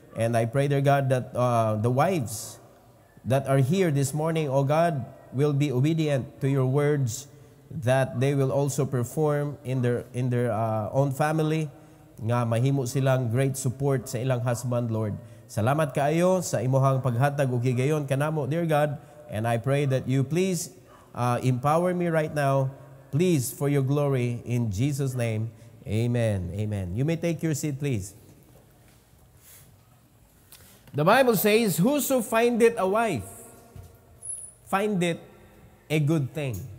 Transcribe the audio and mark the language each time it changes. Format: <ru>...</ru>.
<en>And I pray, dear God, that the wives that are here this morning, O God, will be obedient to your words, that they will also perform in their own family,</en> <ceb>nga mahimo silang</ceb> <en>great support</en> <ceb>sa ilang</ceb> <en>husband, Lord.</en> <ceb>Salamat kaayo sa imuhang paghatag ug higayon kanamo, dear God.</ceb> <en>And I pray that you please empower me right now, please, for your glory, in Jesus' name. Amen. Amen. You may take your seat, please. The Bible says, whoso findeth a wife, findeth a good thing.</en>